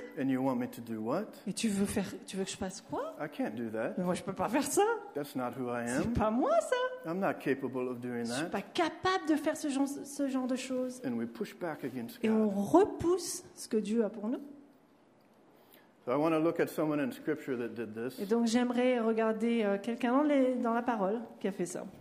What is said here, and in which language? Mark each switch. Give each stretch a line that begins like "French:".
English: And you want me to do what?
French: Et tu veux que je fasse quoi?
English: I can't do that.
French: Mais moi je peux pas faire ça.
English: That's not who I am.
French: C'est pas moi ça.
English: I'm not capable of doing that.
French: Je suis pas capable de faire ce genre de choses.
English: And we push back against
French: Et
English: God.
French: On repousse ce que Dieu a pour nous.
English: So I want to look at someone in scripture that did this.
French: Et donc j'aimerais regarder quelqu'un dans la parole qui a fait ça.